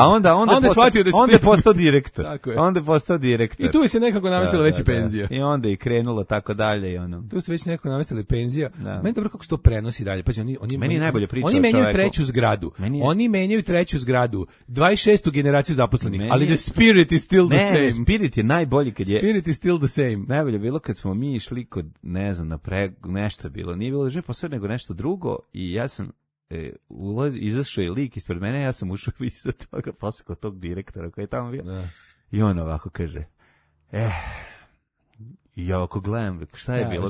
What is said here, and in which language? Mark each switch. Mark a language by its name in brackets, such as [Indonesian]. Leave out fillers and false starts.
[Serbian] A onda, onda je postao direktor. Tako je. Onda je postao direktor. I tu se nekako namestila veća penzija. I onda je krenulo tako dalje. I ono. Tu se već nekako namestila penzija. Da. Meni je dobro kako se to prenosi dalje. Pači, meni je najbolja priča oni menjaju treću zgradu. Oni menjaju treću zgradu. 26. generaciju zaposlenih. Meni... Ali [English] the spirit is still the same. [Serbian] Spirit je najbolji kad je... [English] Spirit is still the same. [Serbian] Najbolje bilo kad smo mi išli kod, ne znam, na nešto bilo. Nije bilo žive posve, nego nešto drugo. I ja sam izašao je lik ispred mene, ja sam ušao iza toga, posle kod tog direktora koji je tamo bio. Da. I on ovako kaže, ja ovako gledam, šta je bilo?